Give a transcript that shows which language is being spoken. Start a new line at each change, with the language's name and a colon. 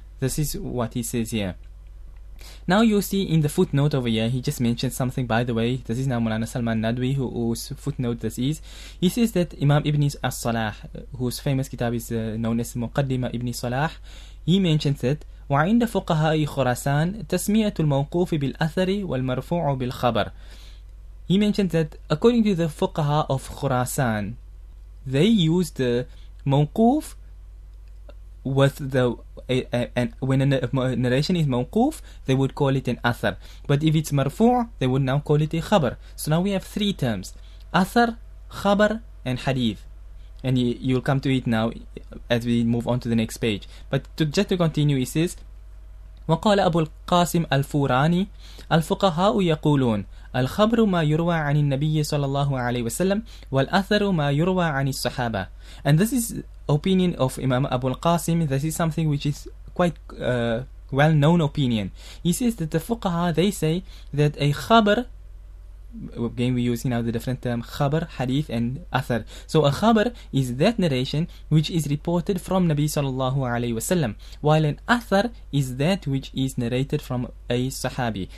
English: This is what he says here. Now you see in the footnote over here, he just mentioned something, by the way. This is now Mulana Salman Nadwi, whose footnote this is. He says that Imam Ibn As-Salah, whose famous kitab is known as Muqaddimah Ibn Salah, he mentions that
Arabic: وعند فقهاء خراسان تسمية الموقوف بالأثر والمرفوع بالخبر.
English: He mentions that according to the fuqaha of Khurasan, they used the mawquf with the when a narration is mawquf, they would call it an athar. But if it's marfu', they would now call it a khabar. So now we have three terms: athar, khabar, and hadith. And you'll come to it now as we move on to the next page. But to, just to continue, it says,
Arabic: وقال أبو القاسم الفوراني الفقهاء يقولون الخبر ما يروى عن النبي صلى الله عليه وسلم والأثر ما يروى عن الصحابة.
English: And this is opinion of Imam Abu al-Qasim. This is something which is quite well-known opinion. He says that the fuqaha, they say that a khabar, again we use now the different term khabar, hadith, and athar. So a khabar is that narration which is reported from Nabi sallallahu alayhi wasallam, while an athar is that which is narrated from a sahabi.